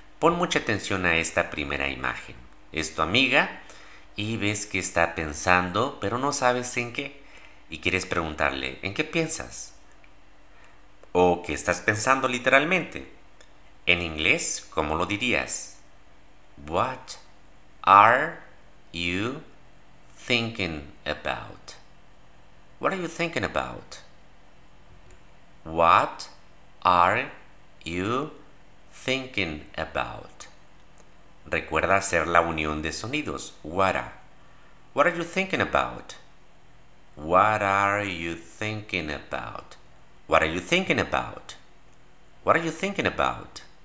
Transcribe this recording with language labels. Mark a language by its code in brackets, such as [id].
[es] Pon mucha atención a esta primera imagen. Es tu amiga y ves que está pensando, pero no sabes en qué. Y quieres preguntarle, ¿en qué piensas? ¿O qué estás pensando literalmente? En inglés, ¿cómo lo dirías? [en] What are you thinking about? What are you thinking about? What are you thinking about? [es] Recuerda hacer la unión de sonidos. [en] What are you thinking about? What are you thinking about? What are you thinking about? What are you thinking about?